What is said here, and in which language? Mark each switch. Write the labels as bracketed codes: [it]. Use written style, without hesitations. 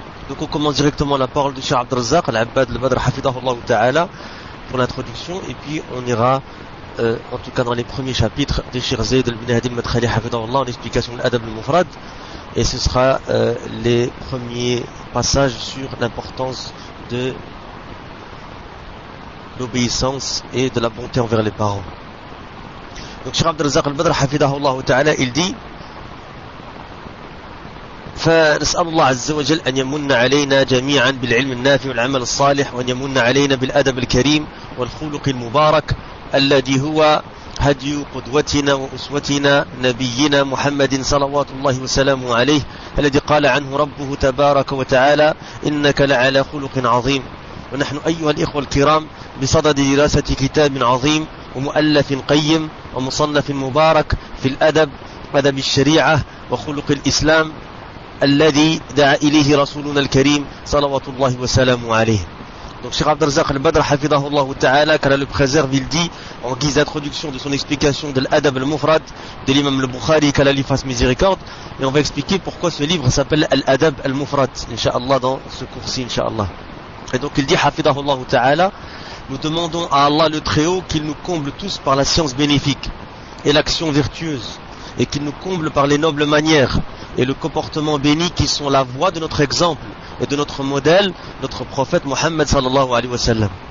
[fr] Donc on commence directement la parole de Cheikh Abd al-Razzaq, l'Abbad al-Badr Hafidahullah Ta'ala, pour l'introduction, et puis on ira en tout cas dans les premiers chapitres de Cheikh Zayd al-Binahdi al-Madkhali Hafidahullah en explication de l'Adab al-Mufrad, et ce sera les premiers passages sur l'importance de l'obéissance et de la bonté envers les parents. Donc Cheikh Abd al-Razzaq al-Badr Hafidahullah Ta'ala, il dit: [ar] فنسأل الله عز وجل أن يمن علينا جميعا بالعلم النافع والعمل الصالح وأن يمن علينا بالأدب الكريم والخلق المبارك الذي هو هدي قدوتنا وأسوتنا نبينا محمد صلوات الله وسلامه عليه الذي قال عنه ربه تبارك وتعالى إنك لعلى خلق عظيم. ونحن أيها الإخوة الكرام بصدد دراسة كتاب عظيم ومؤلف قيم ومصنف مبارك في الأدب أدب الشريعة وخلق الإسلام الذي دعا إليه رسولنا الكريم صلوات الله وسلامه عليه. [fr] Donc Cheikh Abd al-Razzaq al-Badr [ar] حفظه الله تعالى, [fr] car le Bukhazer il dit en guise d'introduction de son explication de l'Adab al-Mufrad de l'imam al-Bukhari qu'Allah lui fasse miséricorde, et on va expliquer pourquoi ce livre s'appelle l'Adab al-Mufrad inshallah dans ce cours-ci inshallah. Et donc il dit [ar] حفظه الله تعالى: [fr] nous demandons à Allah le Très-Haut qu'il nous comble tous par la science bénéfique et l'action vertueuse, et qu'il nous comble par les nobles manières et le comportement béni qui sont la voie de notre exemple et de notre modèle, notre prophète Mohammed sallallahu alayhi wa sallam.